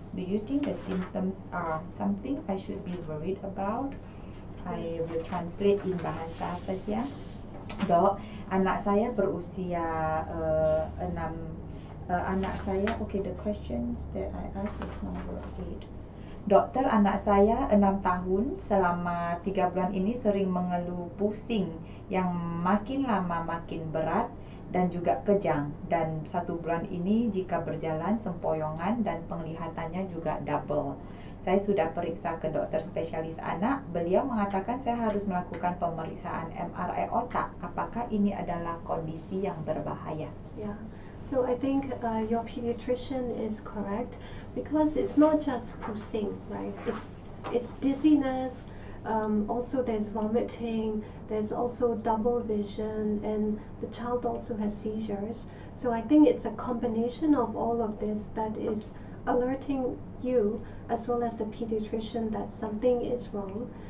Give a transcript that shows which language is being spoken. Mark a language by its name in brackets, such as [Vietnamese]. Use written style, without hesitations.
[English] Do you think the symptoms are something I should be worried about? I will translate in bahasa first ya. [Indonesian] Dok, anak saya berusia 6. Anak saya, [English] okay, the questions that I ask is number 8. [Indonesian] Dokter, anak saya 6 tahun selama 3 bulan ini sering mengeluh pusing yang makin lama makin berat dan juga kejang. Dan 1 bulan ini jika berjalan sempoyongan dan penglihatannya juga double. Saya sudah periksa ke dokter spesialis anak. Beliau mengatakan saya harus melakukan pemeriksaan MRI otak. Apakah ini adalah kondisi yang berbahaya? [English] So I think your pediatrician is correct, because it's not just pusing, right? It's dizziness, also there's vomiting, there's also double vision, and the child also has seizures. So I think it's a combination of all of this that is alerting you, as well as the pediatrician, that something is wrong.